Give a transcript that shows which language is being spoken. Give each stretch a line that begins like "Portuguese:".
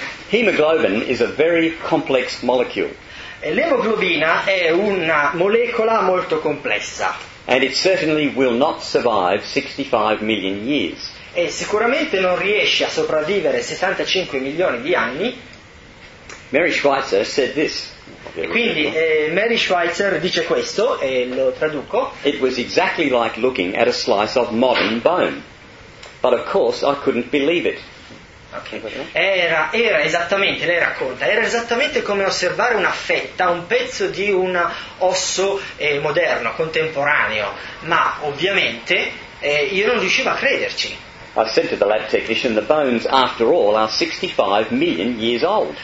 English: Hemoglobin is a very complex molecule.
Italian: L'emoglobina è una molecola molto complessa.
English: And it certainly will not survive 65 million years.
Italian: E sicuramente non riesce a sopravvivere 65 milioni di anni.
English: Mary Schweitzer said this.
Italian: Quindi Mary Schweitzer dice questo, e lo traduco.
English: It was exactly like looking at a slice of modern bone. But of course I couldn't believe it. Okay.
Italian: Era esattamente come osservare una fetta, un pezzo di un osso moderno, contemporaneo, ma ovviamente io non riuscivo a crederci.
English: I said to the lab technician, the bones after all are 65 million years old.